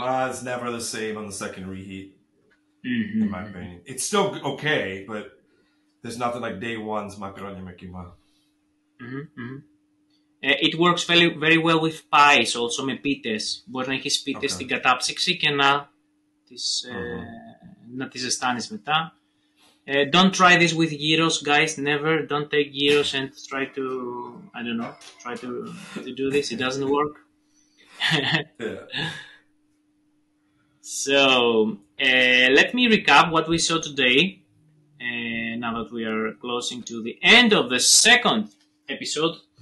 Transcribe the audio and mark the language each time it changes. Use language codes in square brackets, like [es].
[en] And is never the same on the second reheat, mm-hmm. in my opinion. It's still okay, but there's nothing like day one's macaroni and mm-hmm. It works very, very well with pies, also [el] με πίτες. Μπορεί να έχεις πίτες στην κατάψυξη και να τις, να τις ζεστάνεις μετά. [en] Don't try this with gyros, guys. Never. Don't take gyros and try to, I don't know, try to do this. It doesn't work. So, let me recap what we saw today. Now that we are closing to the end of the second episode.